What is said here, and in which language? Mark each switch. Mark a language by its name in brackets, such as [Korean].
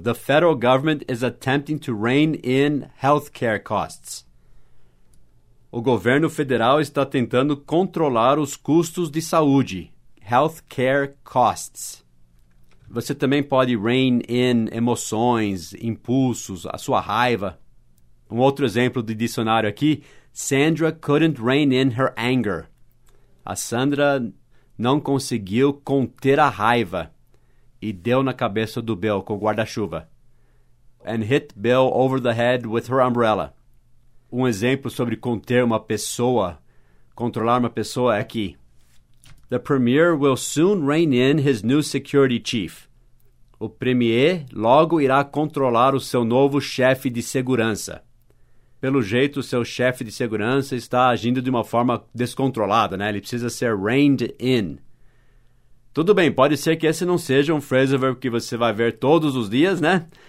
[English] The federal government is attempting to rein in healthcare costs. [Portuguese] O governo federal está tentando controlar os custos de saúde, [English] health care costs. [Portuguese] Você também pode rein in emoções, impulsos, a sua raiva. Um outro exemplo de dicionário aqui, [English] Sandra couldn't rein in her anger. [Portuguese] A Sandra não conseguiu conter a raiva e deu na cabeça do Bill com o guarda-chuva. [English] And hit Bill over the head with her umbrella. [Portuguese] Um exemplo sobre conter uma pessoa, controlar uma pessoa é aqui. [English] The premier will soon rein in his new security chief. [Portuguese] O premier logo irá controlar o seu novo chefe de segurança. Pelo jeito, o seu chefe de segurança está agindo de uma forma descontrolada, né? Ele precisa ser reined in. Tudo bem, pode ser que esse não seja um phrasal verb que você vai ver todos os dias, né?